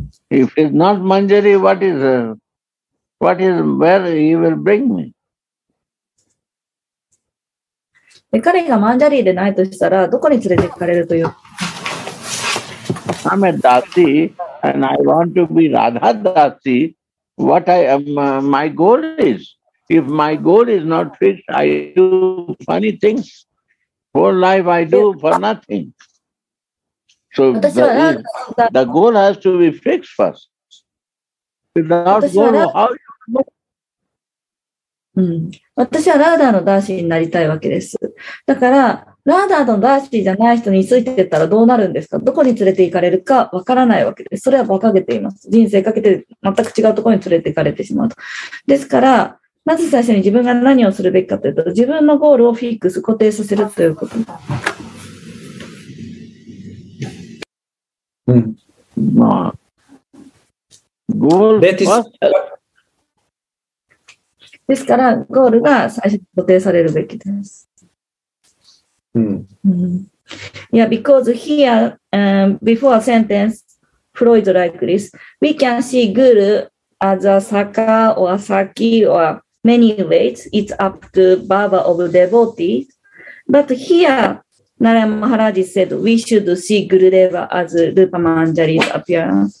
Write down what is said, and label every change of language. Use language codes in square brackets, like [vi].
[en] If it's not Manjari, what is where he will bring me? [ja] で、彼がマンジャリでないとしたら、どこに連れて行かれるという。 [en] I'm a Dasi and I want to be Radha Dasi. What I am, my goal is. If my goal is not fixed, I do funny things. Whole life I do for nothing. So the goal has to be fixed first. Without goal, how you know? [ja] 私はラーダーのダーシーになりたいわけです。だから、ラーダーのダーシーじゃない人についてったらどうなるんですか? どこに連れて行かれるかわからないわけです。それは馬鹿げています。人生かけて全く違うところに連れて行かれてしまうと。ですから、まず最初に自分が何をするべきかというと、自分のゴールをフィックス、固定させるということ。うん。まあ、ゴールは。ですから、ゴールが最初に固定されるべきです。うん。 [en] うん、yeah, because here,、before sentence, flow is like this. We can see guru as a saka or a saki or many ways. It's up to Baba of devotees. But here, Narayana Maharaj said, we should see Gurudeva as Rupa Manjari's appearance.